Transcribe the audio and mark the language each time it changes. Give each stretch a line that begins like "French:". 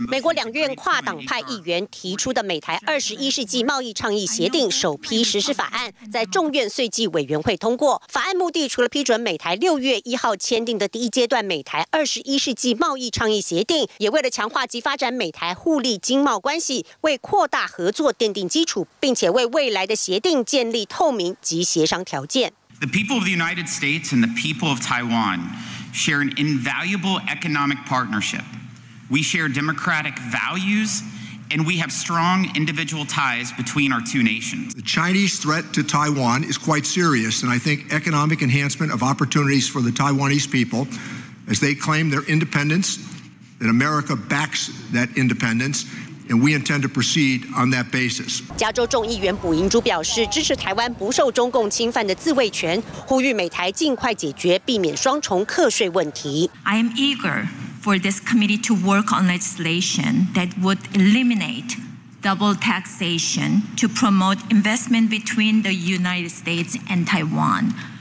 Chinese: 美国两院跨党派议员提出的美台21世纪贸易倡议协定首批实施法案，在众院税计委员会通过。法案目的除了批准美台6月1号签订的第一阶段美台21世纪贸易倡议协定，也为了强化及发展美台互利经贸关系，为扩大合作奠定基础，并且为未来的协定建立透明及协商条件。
English: The people of the United States and the people of Taiwan. Share an invaluable economic partnership. We share democratic values, and we have strong individual ties between our two nations. The Chinese threat to Taiwan is quite serious, and I think economic enhancement of opportunities for the Taiwanese people, as they claim their independence, that America backs that independence. And we intend to proceed on that basis.
Chinese: 加州众议员普银珠表示支持台湾不受中共侵犯的自卫权，呼吁美台尽快解决避免双重课税问题。
English: I am eager for this committee to work on legislation that would eliminate double taxation to promote investment between the United States and Taiwan.